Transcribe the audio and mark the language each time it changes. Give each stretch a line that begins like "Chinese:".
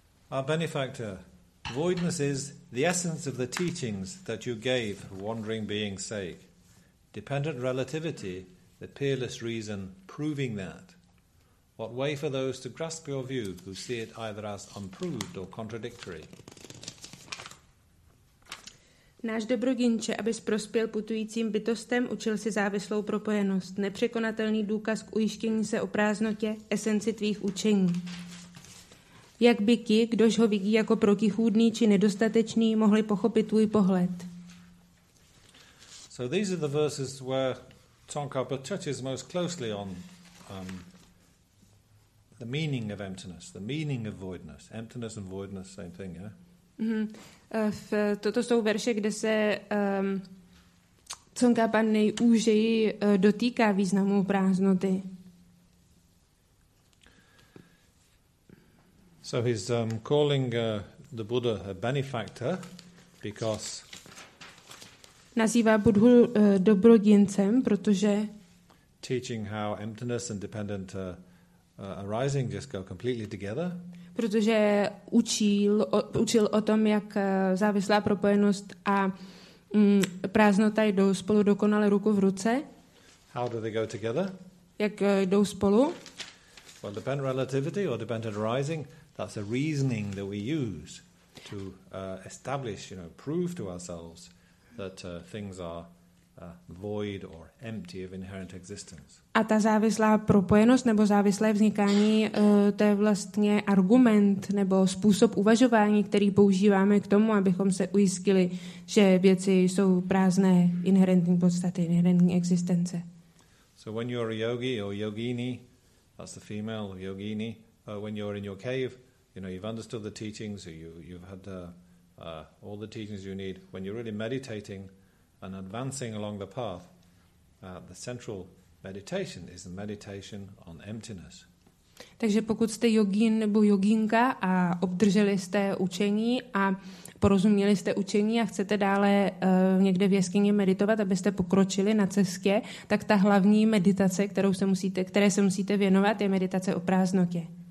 English: Our benefactor, voidness is the essence of the teachings that you gave for wandering beings' sake. Dependent relativity, the peerless reason proving that. What way for those to grasp your view who see it either as unproved or contradictory?
Czech: Náš dobrodinče, abys prospěl putujícím bytostem, učil si závislou propojenost, nepřekonatelný důkaz k ujištění se o prázdnotě, esenci tvých učení. Jak by ti, kdož ho vidí jako protichůdný či nedostatečný, mohli pochopit tvůj pohled?
English: So these are the verses where Tsongkhapa touches most closely on the meaning of emptiness, the meaning of voidness. Emptiness and voidness, same thing, yeah? Mm-hmm.
Czech: Toto jsou verše, kde se Tsongkhapa nejúžeji dotýká významu prázdnoty.
English: So he's calling the Buddha a benefactor because
Czech: nazývá Buddhu dobrodincem, protože
English: teaching how emptiness and dependent arising just go completely together.
Czech: Protože učil o tom, jak závislá propojenost a prázdnota jdou spolu dokonale ruku v ruce.
English: How do they go together?
Czech: Jak jdou spolu?
English: Well, dependent relativity or dependent arising. That's a reasoning that we use to establish, you know, prove to ourselves that things are void or empty of inherent existence.
Czech: A ta závislá propojenost nebo závislé vznikání, to je vlastně argument nebo způsob uvažování, který používáme k tomu, abychom se ujistili, že věci jsou prázdné inherentní podstaty, inherentní existence.
English: So when you're a yogi or yogini, that's the female yogini, when you're in your cave, you know, you've understood the teachings, you've had all the teachings you need. When you're really meditating and advancing along the path, the central meditation is the meditation on emptiness.
Czech: Takže pokud jste jogín nebo jogínka a obdrželi jste učení a porozuměli jste učení a chcete dále někde v jeskyni meditovat, abyste pokročili na cestě, tak ta hlavní meditace, které se musíte věnovat, je meditace o prázdnotě.